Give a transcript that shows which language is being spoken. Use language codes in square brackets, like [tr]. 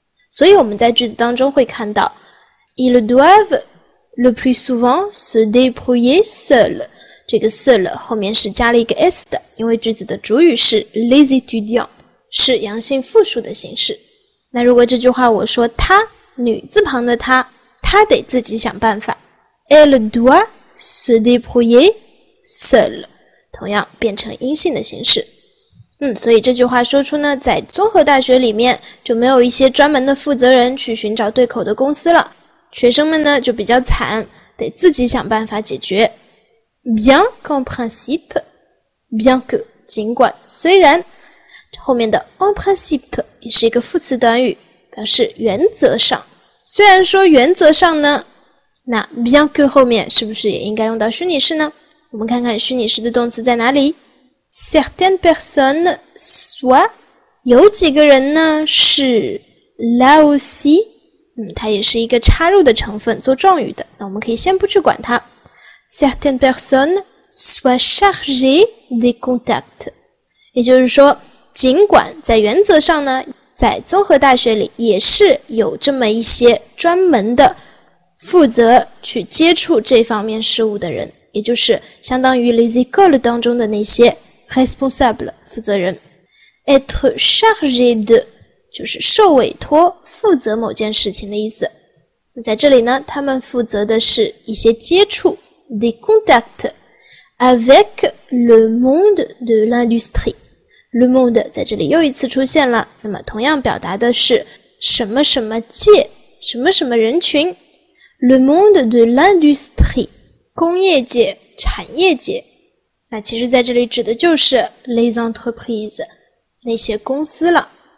[zh] 所以我们在句子当中会看到 [fr] ils doivent le plus souvent se débrouiller seul， [zh] 这个 seul 后面是加了一个 s 的，因为句子的主语是 les étudiants，是阳性复数的形式。那如果这句话我说他，女字旁的他，他得自己想办法。 [fr] Elle doit se débrouiller seule， [zh] 同样变成阴性的形式。所以这句话说出呢，在综合大学里面就没有一些专门的负责人去寻找对口的公司了，学生们呢就比较惨，得自己想办法解决。 [fr] Bien qu'en principe， [zh] bien que 尽管虽然，后面的 en principe 也是一个副词短语，表示原则上，虽然说原则上呢，那 bien que 后面是不是也应该用到虚拟式呢？我们看看虚拟式的动词在哪里。 [fr] Certaines personnes soit [zh] 有几个人呢是 [fr] là aussi [zh] 它也是一个插入的成分做状语的，那我们可以先不去管它。 [fr] Certaines personnes soit chargées des contacts [zh] 也就是说，尽管在原则上呢，在综合大学里也是有这么一些专门的负责去接触这方面事务的人，也就是相当于 [fr] les écoles [zh] 当中的那些responsable 负责人。 [fr] être chargé de [zh] 就是受委托负责某件事情的意思。在这里呢，他们负责的是一些接触 [fr] des contacts avec le monde de l'industrie。 [zh] le monde 在这里又一次出现了，那么同样表达的是什么什么界，什么什么人群。 [fr] le monde de l'industrie [zh] 工业界，产业界，那其实在这里指的就是 [fr] les entreprises [zh] 那些公司了。